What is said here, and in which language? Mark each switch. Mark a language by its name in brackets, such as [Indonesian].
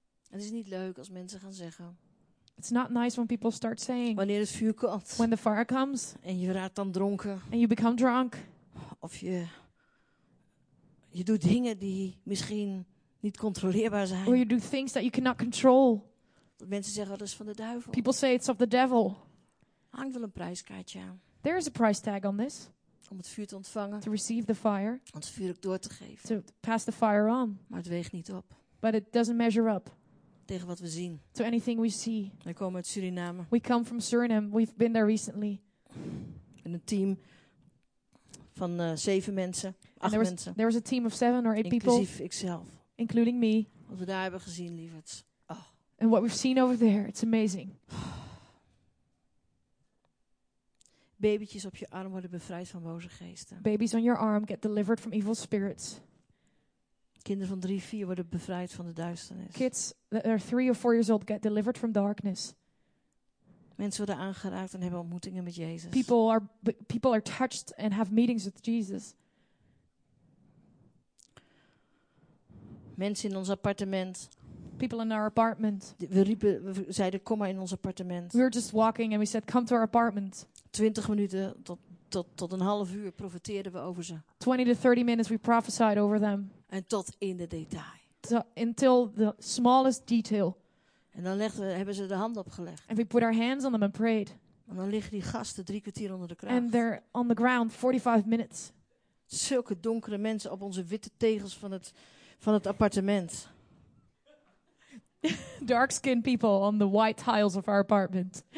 [Dutch] Het is niet leuk als mensen gaan zeggen. [English] It's not nice when people start saying. [Dutch] Wanneer het vuur komt. [English] When the fire comes. [Dutch] En je raakt dan dronken. [English] And you become drunk. [Dutch] Of je doet dingen die misschien niet controleerbaar zijn. [English] Or you do things that you cannot control. [Dutch] Mensen zeggen dat is van de duivel. [English] People say it's of the devil. [Dutch] Hangt wel een prijskaartje aan. [English] There is a price tag on this. [Dutch] Om het vuur te ontvangen. [English] To receive the fire. [Dutch] Om het vuur ook door te geven. [English] To pass the fire on. [Dutch] Maar het weegt niet op. [English] But it doesn't measure up. [Dutch] Tegen wat we zien. [English] To anything we see. [Dutch] We komen uit Suriname. [English] We come from Suriname. We've been there recently. [Dutch] In een team van 7 mensen. 8 mensen. [English] There was a team of 7 or 8 people. [Dutch] Inclusief ikzelf. [English] Including me. [Dutch] Wat we daar hebben gezien, lieverd. Oh. [English] And what we've seen over there, it's amazing. [Dutch] Babytjes op je arm worden bevrijd van boze geesten. [English] Babies on your arm get delivered from evil spirits. [Dutch] Kinderen van 3, 4 worden bevrijd van de duisternis. [English] Kids that are 3 or 4 years old get delivered from darkness. [Dutch] Mensen worden aangeraakt en hebben ontmoetingen met Jezus. [English] People are touched and have meetings with Jesus. [Dutch] Mensen in ons appartement. [English] People in our apartment. [Dutch] We zeiden kom maar in ons appartement. [English] We were just walking and we said come to our apartment. [Dutch] 20 minuten tot een half uur profeteerden we over ze. [English] 20 to 30 minutes we prophesied over them. [Dutch] En tot in de detail. [English] Until the smallest detail. [Dutch] En dan hebben ze de hand opgelegd. [English] And we put our hands on them and prayed. [Dutch] En dan liggen die gasten 3 kwartier onder de kruis. [English] And they're on the ground 45 minutes. [Dutch] Zulke donkere mensen op onze witte tegels van het appartement. [English] Dark-skinned people on the white tiles of our apartment.